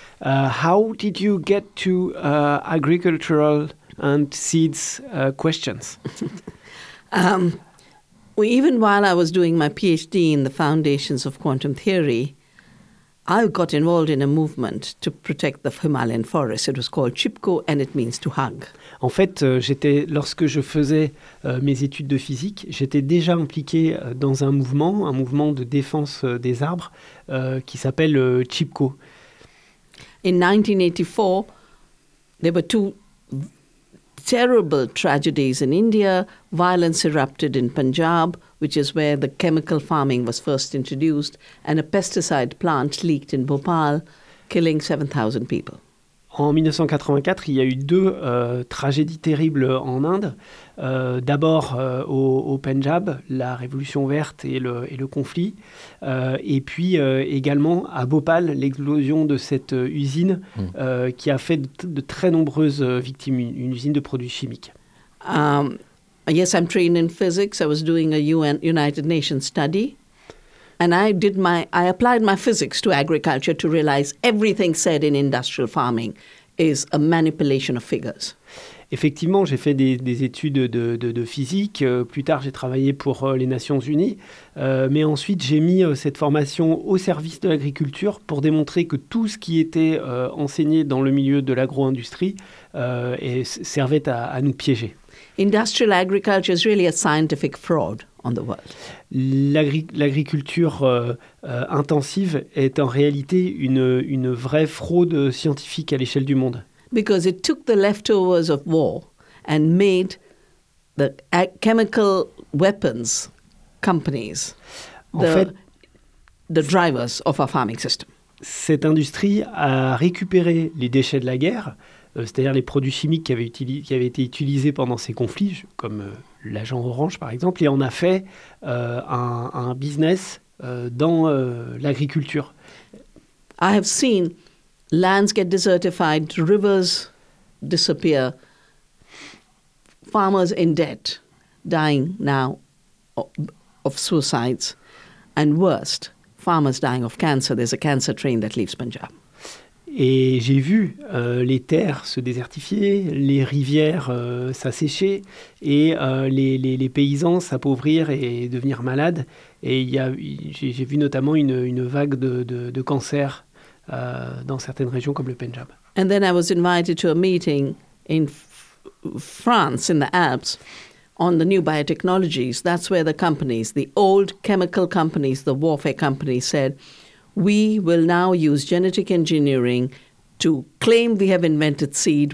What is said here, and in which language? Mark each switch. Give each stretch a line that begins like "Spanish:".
English: How did you get to agricultural and seeds questions? Even while I was doing my PhD in the foundations of quantum theory, I got involved in a movement to protect the Himalayan forest. It was called CHIPKO and it means to hug.
French: En fait, lorsque je faisais mes études de physique, j'étais déjà impliqué dans un mouvement de défense des arbres qui s'appelle CHIPKO.
English: In 1984, there were two terrible tragedies in India. Violence erupted in Punjab, which is where the chemical farming was first introduced, and a pesticide plant leaked in Bhopal, killing 7,000 people.
French: En 1984, il y a eu deux tragédies terribles en Inde. D'abord au Punjab, la révolution verte et le conflit, et puis également à Bhopal, l'explosion de cette usine qui a fait de très nombreuses victimes, une usine de produits chimiques.
English: Yes, I'm trained in physics. I was doing a UN, United Nations study. And I applied my physics to agriculture to realize everything said in industrial farming is a manipulation of figures.
French: Effectivement, j'ai fait des études de physique. Plus tard, j'ai travaillé pour les Nations Unies. Mais ensuite, j'ai mis cette formation au service de l'agriculture pour démontrer que tout ce qui était enseigné dans le milieu de l'agro-industrie servait à nous piéger.
English: Industrial agriculture is really a scientific fraud on the world.
French: L'agriculture intensive est en réalité une vraie fraude scientifique à l'échelle du monde.
English: Because it took the leftovers of war and made the chemical weapons companies the drivers of our farming system.
French: Cette industrie a récupéré les déchets de la guerre, c'est-à-dire les produits chimiques qui avaient été utilisés pendant ces conflits, comme l'agent orange par exemple, et en a fait un business dans l'agriculture.
English: I have seen lands get desertified, rivers disappear, farmers in debt, dying now of suicides, and worst, farmers dying of cancer. There's a cancer train that leaves Punjab.
French: Et j'ai vu les terres se désertifier, les rivières s'assécher, et les paysans s'appauvrir et devenir malades. Et j'ai vu notamment une vague de cancer dans certaines régions comme le Punjab.
English: And then I was invited to a meeting in France, in the Alps, on the new biotechnologies. That's where the companies, the old chemical companies, the warfare companies said, we will now use genetic engineering to claim we have invented seed.